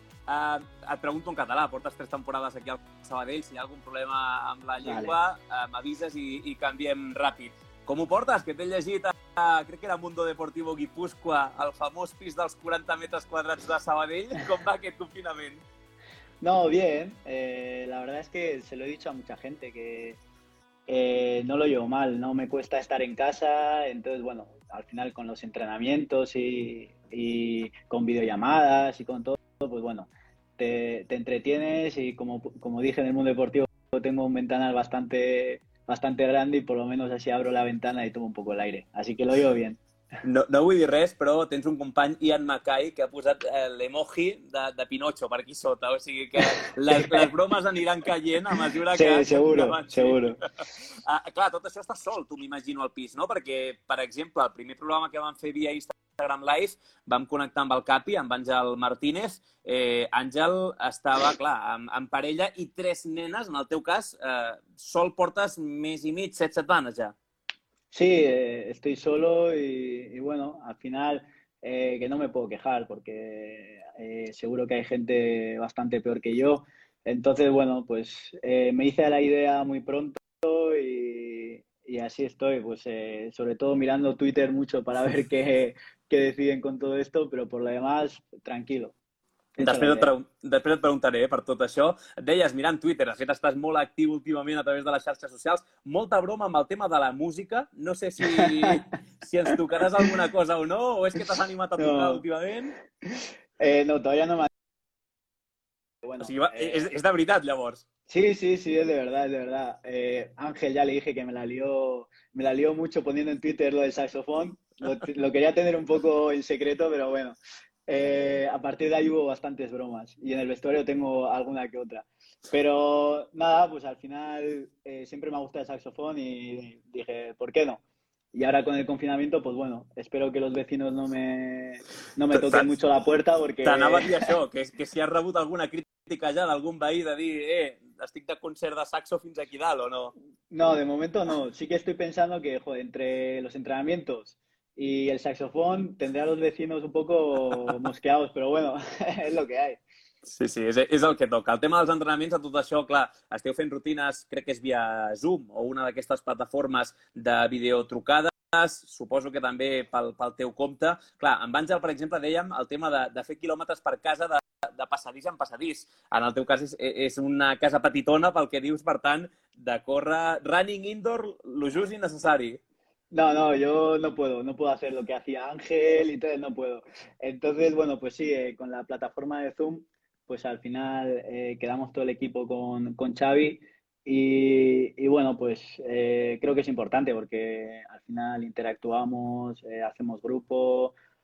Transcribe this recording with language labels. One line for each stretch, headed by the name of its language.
Catalan: Et pregunto en català. Portes tres temporades aquí al Sabadell. Si hi ha algun problema amb la llengua, m'avises i canviem ràpid. Com ho portes? Que t'he llegit crec que era Mundo Deportivo Guipúscoa, el famós pis dels 40 metres quadrats de Sabadell. Com va aquest confinament?
Spanish: No, bien. La verdad es que se lo he dicho a mucha gente, que no lo llevo mal, no me cuesta estar en casa. Entonces, bueno, al final con los entrenamientos y con videollamadas y con todo, pues bueno, te entretienes, y como dije, en el mundo deportivo tengo un ventanal bastante, bastante grande, y por lo menos así abro la ventana y tomo un poco el aire. Así que lo llevo bien.
Catalan: No, no vull dir res, però tens un company, Ian Mackay, que ha posat l'emoji de Pinocho per aquí sota. O sigui que les bromes aniran caient a mesura que...
Spanish: Sí, seguro, seguro.
Catalan: Clar, tot això està sol, tu m'imagino, al pis, no? Perquè, per exemple, el primer programa que vam fer via Instagram Live, vam connectar amb el Capi, amb Àngel Martínez. Àngel estava, clar, amb parella i tres nenes. En el teu cas, sol portes més i mig, set setmanes ya.
Spanish: Sí, estoy solo y bueno, al final que no me puedo quejar, porque seguro que hay gente bastante peor que yo. Entonces, bueno, pues me hice la idea muy pronto y así estoy, pues sobre todo mirando Twitter mucho para ver qué deciden con todo esto, pero por lo demás, tranquilo.
Catalan: Després et preguntaré per tot això. Deies, mirant Twitter, de fet estàs molt actiu últimament a través de les xarxes socials, molta broma amb el tema de la música. No sé si ens tocaràs alguna cosa o no, o és que t'has animat a tocar últimament?
Spanish: No, todavía no
Catalan: m'han... Bueno, o sigui, és de veritat, llavors?
Spanish: Sí, es de verdad, es de verdad. Ángel, ya le dije que me la lió mucho poniendo en Twitter lo del saxofón. Lo quería tener un poco en secreto, pero bueno. A partir de ahí hubo bastantes bromas y en el vestuario tengo alguna que otra. Pero nada, pues al final siempre me ha gustado el saxofón y dije, ¿por qué no? Y ahora con el confinamiento, pues bueno, espero que los vecinos no me toquen mucho la puerta porque...
Catalan: T'anava a dir això, que si has rebut alguna crítica ja d'algun veí de dir, estic de concert de saxo fins aquí dalt o no?
Spanish: No, de momento no. Sí que estoy pensando que, joder, entre los entrenamientos... Y el saxofón tendrá a los vecinos un poco mosqueados, pero bueno, es lo que hay.
Catalan: Sí, sí, és el que toca. El tema dels entrenaments, a tot això, clar, esteu fent rutines, crec que és via Zoom o una d'aquestes plataformes de videotrucades, suposo que també pel teu compte. Clar, amb Àngel, per exemple, dèiem el tema de fer quilòmetres per casa de passadís en passadís. En el teu cas és una casa petitona, pel que dius, per tant, de córrer running indoor, lo just i necessari.
Spanish: No, no, yo no puedo hacer lo que hacía Ángel y entonces no puedo. Entonces, bueno, pues sí, con la plataforma de Zoom, pues al final quedamos todo el equipo con Xavi y bueno, pues creo que es importante porque al final interactuamos, hacemos grupo